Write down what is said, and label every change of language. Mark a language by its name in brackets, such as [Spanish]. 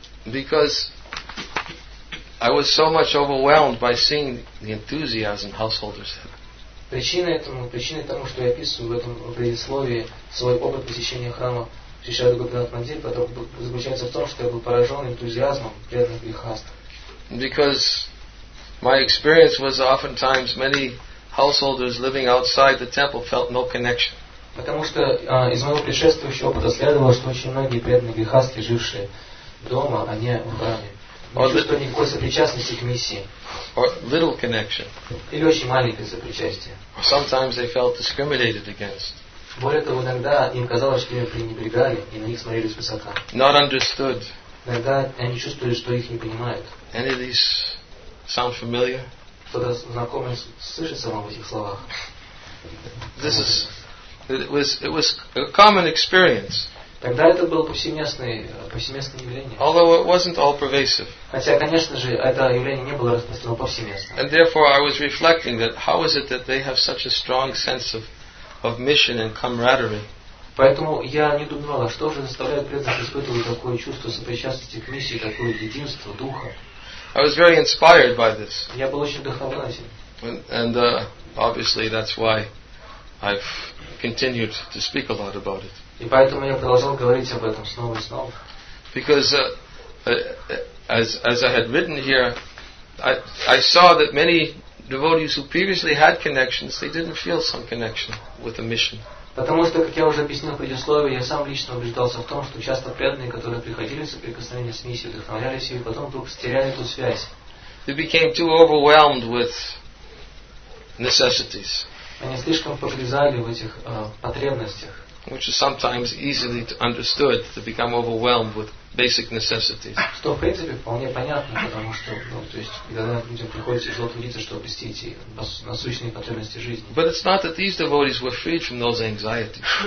[English] Because I was so much overwhelmed by seeing the enthusiasm householders had. [Russian] Причиной тому, что я описываю в этом предисловии свой опыт посещения храма Шри Шри Радха Гопинат Мандири, заключается в том, что я был поражен энтузиазмом преданных грихастх. [English] Because my experience was oftentimes many householders living outside the temple felt no connection. [Russian] Потому что из моего предшествующего опыта следовало, что очень многие преданные грихастхи, жившие дома, а не в храме. Чувствуя никакой сопричастности к миссии. [English] Or little connection. [Russian] Или очень маленькое сопричастие. [English] Sometimes they felt discriminated against. [Russian] Более того, иногда им казалось, что им пренебрегали и на них смотрели свысока. [English] Not understood. [Russian] Иногда они чувствовали, что их не понимают. [English] Any of these sound familiar? [Russian] Кто-то знакомый слышится вам в этих словах? [English] This is it was a common experience. [Russian] Тогда это было повсеместное явление. [English] Although it wasn't all pervasive. [Russian] Хотя, конечно же, это явление не было распространено повсеместно. [English] And therefore, I was reflecting that how is it that they have such a strong sense of mission and camaraderie? [Russian] Поэтому я не думала, что же заставляет преданных испытывать такое чувство сопричастности к миссии, такое единство духа. [English] I was very inspired by this. [Russian] Я был очень вдохновлен этим. [English] And obviously, that's why I've continued to speak a lot about it. [Russian] И поэтому я продолжал говорить об этом снова и снова. [English] Because as I had written here, I saw that many devotees who previously had connections, they didn't feel some connection with the mission. [Russian] Потому что, как я уже объяснил в предисловии, я сам лично убеждался в том, что часто преданные, которые приходили в соприкосновение с миссией, вдохновлялись ее, потом вдруг потеряли эту связь. [English] They became too overwhelmed with necessities. [Russian] Они слишком погрязали в этих потребностях. [English] Which is sometimes easily understood to become overwhelmed with basic necessities. [Russian] Что в принципе вполне понятно, потому что, ну, то есть, когда людям приходится тяжело трудиться, чтобы обрести эти насущные потребности жизни. [English] But it's not that these devotees were freed from those anxieties.